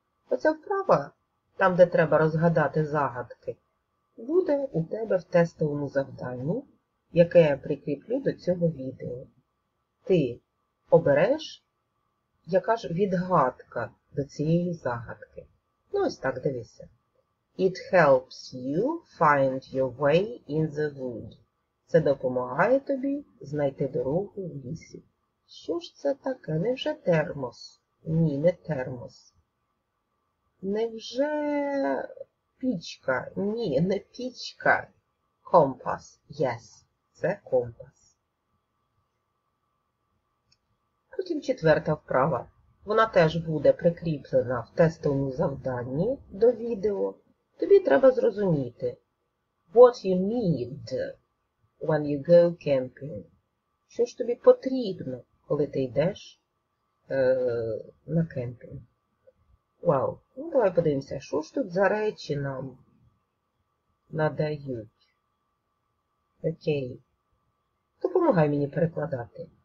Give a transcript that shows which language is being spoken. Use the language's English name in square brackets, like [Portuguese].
[Ukrainian] Оця вправа, там, де треба розгадати загадки, буде у тебе в тестовому завданні, яке я прикріплю до цього відео. Ти обереш, яка ж відгадка до цієї загадки. Ну, ось так, дивися. [English] It helps you find your way in the wood. [Ukrainian] Це допомагає тобі знайти дорогу в лісі. Що ж це таке? Невже термос? Ні, не термос. Невже пічка? Ні, не пічка. Компас. Yes, це компас. Потім четверта вправа. Вона теж буде прикріплена в тестовому завданні до відео. Тобі треба зрозуміти. [English] What you need when you go camping? [Ukrainian] Що ж тобі потрібно, коли ти йдеш на кемпінг? Вау, ну давай подивимося, що ж тут за речі нам надають. Окей. Допомагай мені перекладати.